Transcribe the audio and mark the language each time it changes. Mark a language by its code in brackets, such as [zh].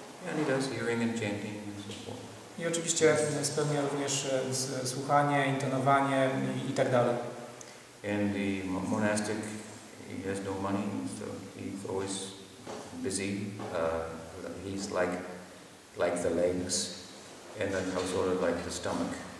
[en] And he does hearing and chanting and so forth. [pl] I oczywiście spełnia również słuchanie, intonowanie i tak dalej. [en] And the monastic, he has no money, so he's always busy. He's like the legs, and the householder like the stomach.